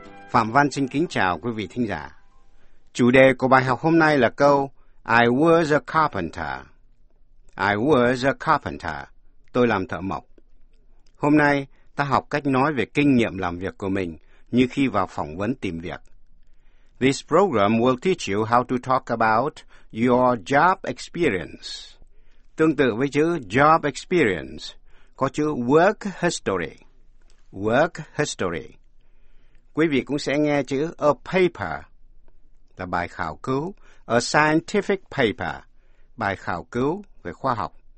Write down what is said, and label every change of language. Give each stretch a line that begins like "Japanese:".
Vietnamese: Phạm Văn xin kính chào quý vị thính giả. Chủ đề của bài học hôm nay là câu
English: I was a carpenter. I was a carpenter.
Vietnamese: Tôi làm thợ mộc. Hôm nay, ta học cách nói về kinh nghiệm làm việc của mình như khi vào phỏng vấn tìm việc.
English: This program will teach you how to talk about your job experience.
Vietnamese: Tương tự với chữ job experience, có chữ work history.
English: Work history.
Vietnamese: Quý vị cũng sẽ nghe chữ a paper, là bài khảo cứu.
English: A scientific paper,
Vietnamese: bài khảo cứu về khoa học.